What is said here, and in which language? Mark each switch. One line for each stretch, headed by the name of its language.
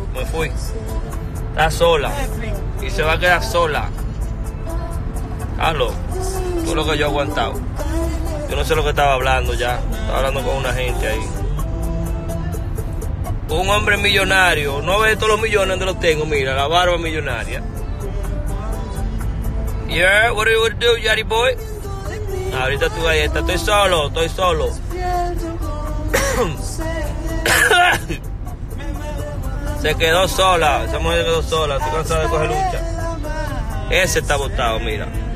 Spanish: Me fui. Está sola. Y se va a quedar sola. Aló. Tú lo que yo he aguantado. Yo no sé lo que estaba hablando ya. Estaba hablando con una gente ahí. Un hombre millonario. No ves todos los millones donde los tengo, mira, la barba millonaria.
English: Yeah, what are you gonna do, Yaddy boy?
Spanish: Ahorita tú ahí estás, estoy solo. Esa mujer se quedó sola, estoy cansada de coger lucha. Ese está botado, mira.